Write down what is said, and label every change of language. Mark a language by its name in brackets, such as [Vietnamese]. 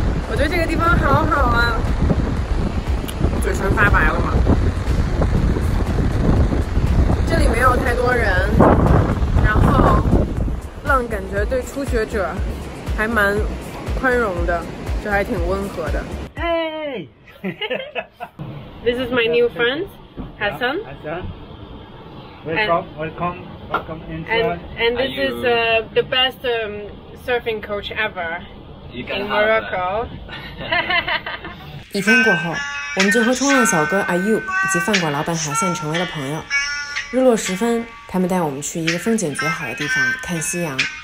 [Chinese] 我觉得这个地方好好啊，嘴唇发白了吗？这里没有太多人，然后浪感觉对初学者还蛮宽容的，就还挺温和的。 [English] Hey, this is my new friend Hassan. Welcome. And this you, is the best surfing coach ever in Morocco. [Chinese] 一天过后，我们就和冲浪小哥 Ayub 以及饭馆老板海散成为了朋友。日落时分，他们带我们去一个风景绝好的地方看夕阳。